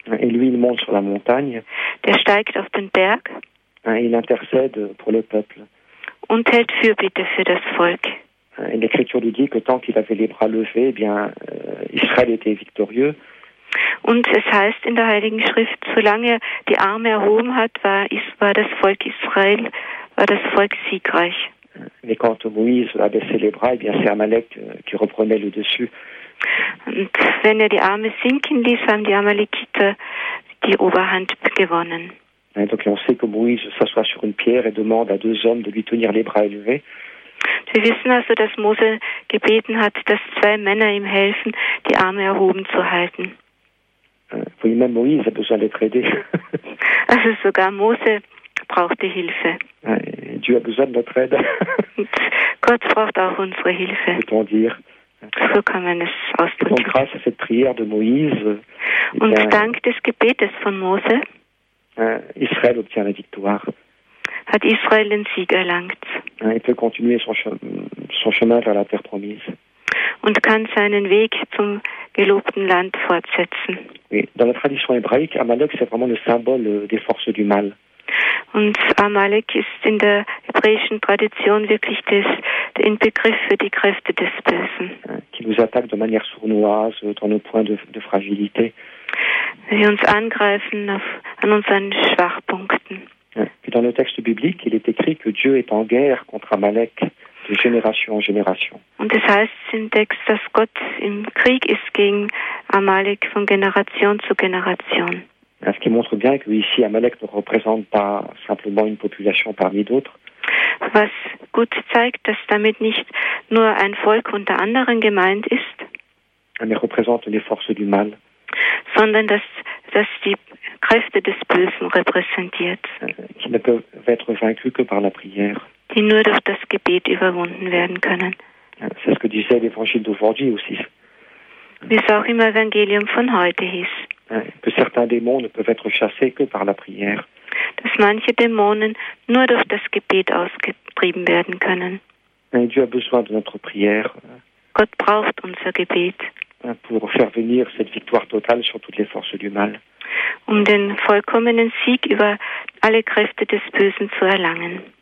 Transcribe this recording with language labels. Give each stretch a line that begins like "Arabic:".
French: Et lui, il monte sur la montagne.
German: Der steigt auf den Berg.
French: Il intercède pour le peuple.
German: Und hält Fürbitte für das Volk.
French: Et l'Écriture lui dit que tant qu'il avait les bras levés, bien, Israël était victorieux.
German: Und es heißt in der Heiligen Schrift, solange er die Arme erhoben hat, war das Volk Israel, war das Volk siegreich.
French: Mais quand Moïse a baissé les bras, eh bien c'est Amalek qui reprenait le dessus.
German: Und wenn er die Arme sinken ließ, haben die Amalekiter die Oberhand gewonnen.
French: Et donc on sait que Moïse s'assoit sur une pierre et demande à deux hommes de lui tenir les bras élevés.
German: Wir wissen also, dass Mose gebeten hat, dass zwei Männer ihm helfen, die Arme erhoben zu halten.
French: Oui, même Moïse a besoin d'être aidé.
German: Also sogar Mose brauchte Hilfe.
French: Et Dieu a besoin de notre aide.
German: Gott braucht auch unsere Hilfe.
French: Peut-on dire.
German: So kann man es ausdrücken.
French: Donc grâce à cette prière de Moïse.
German: Und
French: bien,
German: dank des Gebetes von Mose.
French: Israël obtient la victoire.
German: Hat Israel den Sieg erlangt.
French: Il peut continuer son chemin vers la terre promise.
German: Und kann seinen Weg zum gelobten Land fortsetzen.
French: Oui. Dans la tradition hébraïque, Amalek c'est vraiment le symbole des forces du mal.
German: Und Amalek ist in der hebräischen Tradition wirklich der Inbegriff für die Kräfte des Bösen.
French: Qui nous attaque de manière sournoise dans nos points de fragilité.
German: Sie uns angreifen an unseren Schwachpunkten.
French: Puis dans le texte biblique, il est écrit que Dieu est en guerre contre Amalek. De génération en génération.
German: Und es heißt im Text, dass Gott im Krieg ist gegen Amalek von Generation zu Generation.
French: Ce qui montre bien que ici Amalek ne représente pas simplement une population parmi d'autres.
German: Was gut zeigt, dass damit nicht nur ein Volk unter anderen gemeint ist.
French: Mais représente les forces du mal.
German: Sondern dass die Kräfte des Bösen repräsentiert.
French: Qui ne peuvent être vaincus que par la prière.
German: Die nur durch das Gebet überwunden werden können.
French: C'est ce que disait l'évangile d'aujourd'hui aussi.
German: Wie es auch im Evangelium von heute hieß.
French: Que certains démons ne peuvent être chassés que par la prière.
German: Dass manche Dämonen nur durch das Gebet ausgetrieben werden können.
French: Et Dieu a besoin de notre prière.
German: Gott braucht unser Gebet.
French: Pour faire venir cette victoire totale sur toutes les forces du mal.
German: Um den vollkommenen Sieg über alle Kräfte des Bösen zu erlangen.